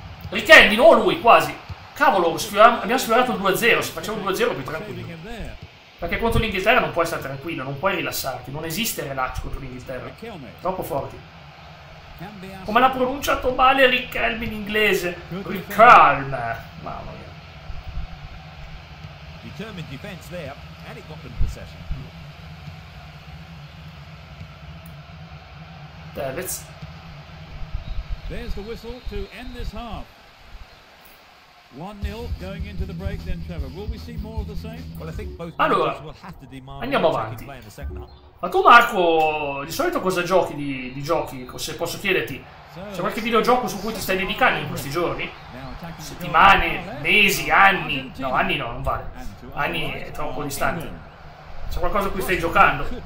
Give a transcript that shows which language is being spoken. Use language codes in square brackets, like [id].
[it] Riquelme, di nuovo lui, quasi. Cavolo, abbiamo sfiorato il 2-0, se facciamo il 2-0 più tranquillo. Perché contro l'Inghilterra non puoi stare tranquillo, non puoi rilassarti, non esiste relax contro l'Inghilterra. Troppo forti. Come l'ha pronunciato male Riquelme in inglese? Riquelme! Mamma mia. [en] Determined defense there, and it got in possession. Davids. There's the whistle to end this half. 1-0 going into the break then, Trevor. Will we see more of the same? Well, I think both teams will have to demand. [it] Andiamo avanti. Ma tu, Marco, di solito cosa giochi di giochi? Se posso chiederti, c'è qualche videogioco su cui ti stai dedicando in questi giorni? Settimane, mesi, anni? No, anni no, non vale. Anni è troppo distante. C'è qualcosa a cui stai giocando?